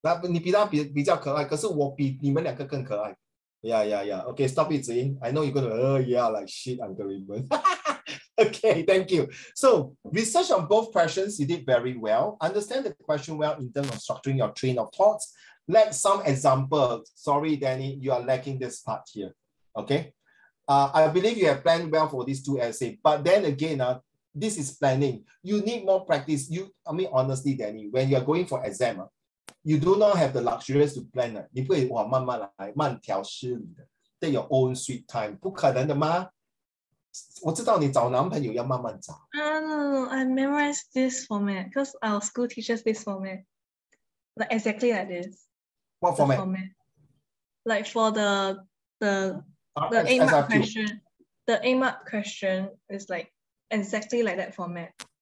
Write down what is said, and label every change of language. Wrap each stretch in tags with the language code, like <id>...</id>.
<zh>你比他比较可爱, 可是我比你们两个更可爱.</zh> <en>Yeah, yeah, yeah. Okay, stop it, Zing. I know you're gonna, yeah, like shit, Uncle Raymond. Okay, thank you. So, research on both questions, you did very well. Understand the question well in terms of structuring your train of thoughts. Let some examples. Sorry, Danny, you are lacking this part here. Okay. I believe you have planned well for these two essays. But then again, this is planning. You need more practice. Honestly, Danny, when you are going for exam, you do not have the luxury to plan.</en> <zh>你不会慢慢来,慢条斯理的,</zh> <en>take your own sweet time.</en> <zh>不可能的吗? 我知道你找男朋友要慢慢找.</zh> <en>I memorized this format because our school teaches this format. Like exactly like this. What format? Like for the aim up question. The aim up question is like exactly like that format.</en>